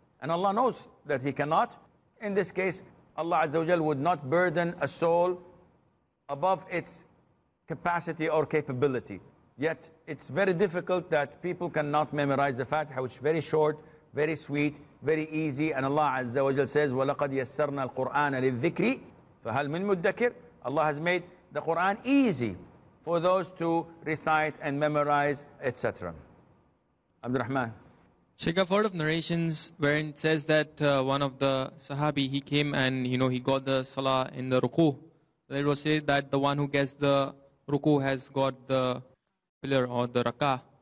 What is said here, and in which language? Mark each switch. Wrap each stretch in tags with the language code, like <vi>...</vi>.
<en>And Allah knows that he cannot. In this case, Allah Azza wa Jal would not burden a soul above its capacity or capability. Yet it's very difficult that people cannot memorize the Fatiha, which is very short, very sweet, very easy. And Allah Azza wa Jal says,</en> <ar>وَلَقَدْ يَسَّرْنَا الْقُرْآنَ لِلذِّكْرِ فَهَلْ مِنْ مُدَّكِرٍ.</ar> <en>Allah has made the Quran easy for those to recite and memorize, etc. Abdul Rahman. Sheikh, I've heard of narrations wherein it says that one of the Sahabi, he came and, you know, he got the Salah in the Ruku. It was said that the one who gets the Ruku has got the pillar or the Rakah.</en>